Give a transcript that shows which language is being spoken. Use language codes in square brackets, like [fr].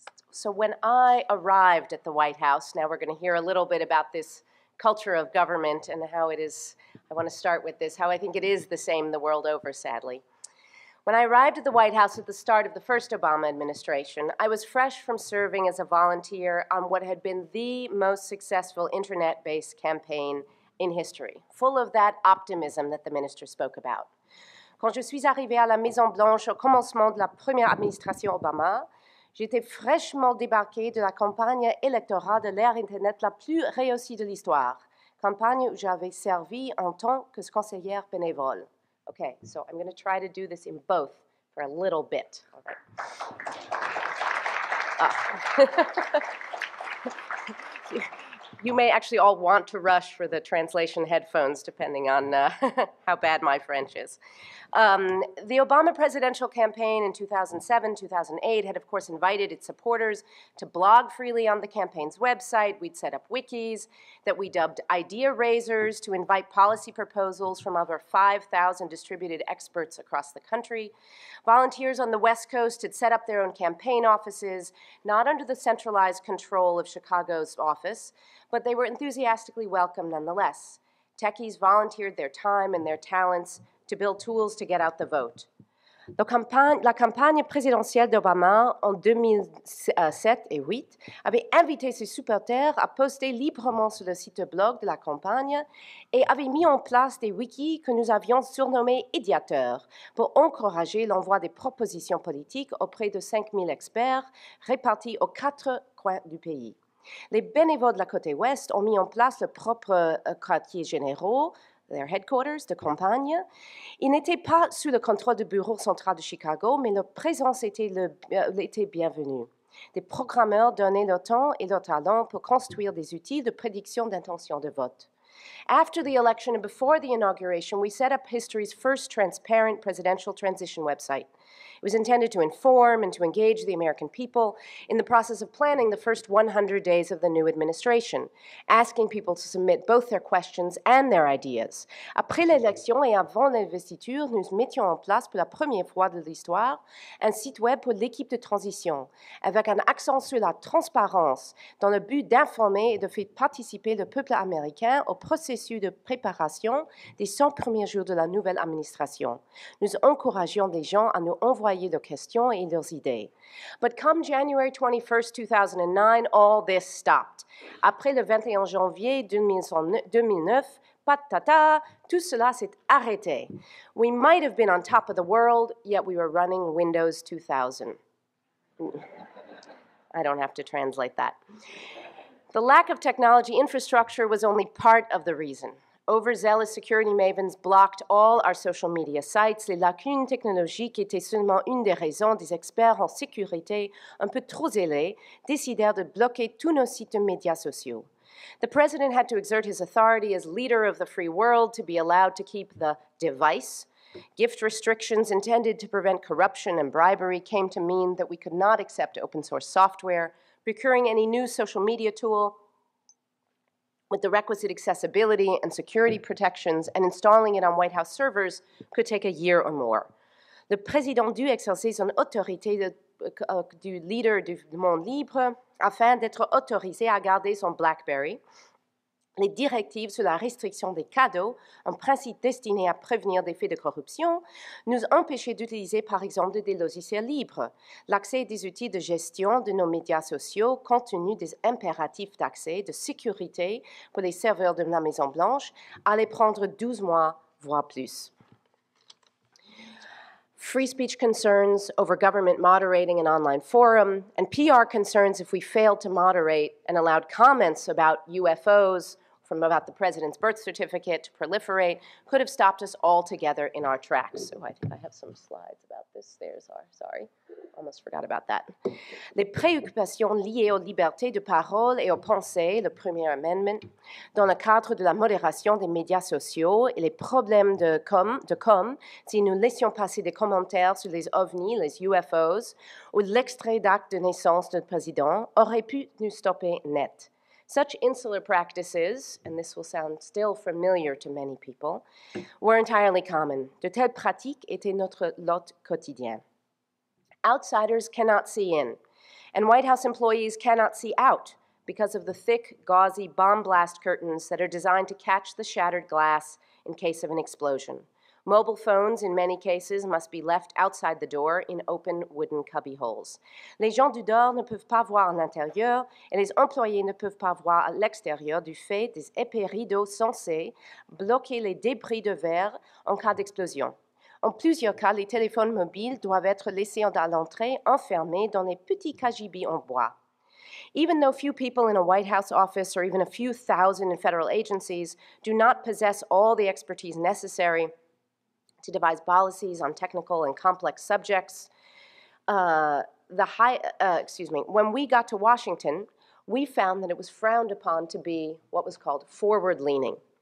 [en] So when I arrived at the White House, now we're going to hear a little bit about this culture of government and how it is, I want to start with this, how I think it is the same the world over, sadly. When I arrived at the White House at the start of the first Obama administration, I was fresh from serving as a volunteer on what had been the most successful internet-based campaign in history, full of that optimism that the minister spoke about. [fr] Quand je suis arrivée à la Maison Blanche au commencement de la première administration Obama, j'étais fraîchement débarquée de la campagne électorale de l'ère Internet la plus réussie de l'histoire, campagne où j'avais servi en tant que conseillère bénévole. [en] Okay, so I'm going to try to do this in both for a little bit. All right. You may actually all want to rush for the translation headphones, depending on how bad my French is. The Obama presidential campaign in 2007, 2008 had, of course, invited its supporters to blog freely on the campaign's website. We'd set up wikis that we dubbed idea raisers to invite policy proposals from over 5,000 distributed experts across the country. Volunteers on the West Coast had set up their own campaign offices, not under the centralized control of Chicago's office, but they were enthusiastically welcomed nonetheless. Techies volunteered their time and their talents to build tools to get out the vote. [fr] La campagne présidentielle d'Obama en 2007 et 2008 avait invité ses supporters à poster librement sur le site blog de la campagne et avait mis en place des wikis que nous avions surnommés idiateurs pour encourager l'envoi des propositions politiques auprès de 5000 experts répartis aux quatre coins du pays. Les bénévoles de la côte ouest ont mis en place leur propre quartier général, [en] their headquarters, [fr] de campagne. Ils n'étaient pas sous le contrôle du bureau central de Chicago, mais leur présence était bienvenue. Des programmeurs donnaient leur temps et leur talent pour construire des outils de prédiction d'intention de vote. [en] After the election and before the inauguration, we set up history's first transparent presidential transition website. It was intended to inform and to engage the American people in the process of planning the first 100 days of the new administration, asking people to submit both their questions and their ideas. [fr] Après l'élection et avant l'investiture, nous mettions en place pour la première fois de l'histoire un site web pour l'équipe de transition, avec un accent sur la transparence, dans le but d'informer et de faire participer le peuple américain au processus de préparation des 100 premiers jours de la nouvelle administration. Nous encourageons les gens à nous envoyer leurs questions et leurs idées. [en] But come January 21st, 2009, all this stopped. [fr] Après le 21 janvier 2009, patata, tout cela s'est arrêté. [en] We might have been on top of the world, yet we were running Windows 2000. I don't have to translate that. The lack of technology infrastructure was only part of the reason. Overzealous security mavens blocked all our social media sites. [fr] Les lacunes technologiques étaient seulement une des raisons des experts en sécurité, un peu trop zélés, décidèrent de bloquer tous nos sites de médias sociaux. [en] The president had to exert his authority as leader of the free world to be allowed to keep the device. Gift restrictions intended to prevent corruption and bribery came to mean that we could not accept open source software. Procuring any new social media tool with the requisite accessibility and security protections and installing it on White House servers could take a year or more. [fr] Le président dut exercer son autorité du leader du monde libre afin d'être autorisé à garder son BlackBerry. Les directives sur la restriction des cadeaux, un principe destiné à prévenir des faits de corruption, nous empêchaient d'utiliser, par exemple, des logiciels libres. L'accès des outils de gestion de nos médias sociaux, compte tenu des impératifs d'accès, de sécurité pour les serveurs de la Maison-Blanche, allait prendre 12 mois, voire plus. [en] Free speech concerns over government moderating an online forum, and PR concerns if we failed to moderate and allowed comments about UFOs from about the president's birth certificate to proliferate could have stopped us altogether in our tracks. So I have some slides about this. There's our, sorry, almost forgot about that. [fr] Les préoccupations liées aux libertés de parole et aux pensées, le premier amendement, dans le cadre de la modération des médias sociaux et les problèmes de com, si nous laissions passer des commentaires sur les ovnis, les UFOs, ou l'extrait d'acte de naissance du président, auraient pu nous stopper net. [en] Such insular practices, and this will sound still familiar to many people, were entirely common. [fr] De telles pratiques étaient notre lot quotidien. [en] Outsiders cannot see in, and White House employees cannot see out because of the thick, gauzy bomb blast curtains that are designed to catch the shattered glass in case of an explosion. Mobile phones, in many cases, must be left outside the door in open wooden cubby holes. [fr] Les gens du dehors ne peuvent pas voir à l'intérieur et les employés ne peuvent pas voir à l'extérieur du fait des épais rideaux censés bloquer les débris de verre en cas d'explosion. En plusieurs cas, les téléphones mobiles doivent être laissés à l'entrée enfermés dans les petits cagibis en bois. [en] Even though few people in a White House office or even a few thousand in federal agencies do not possess all the expertise necessary to devise policies on technical and complex subjects, when we got to Washington, we found that it was frowned upon to be what was called forward-leaning.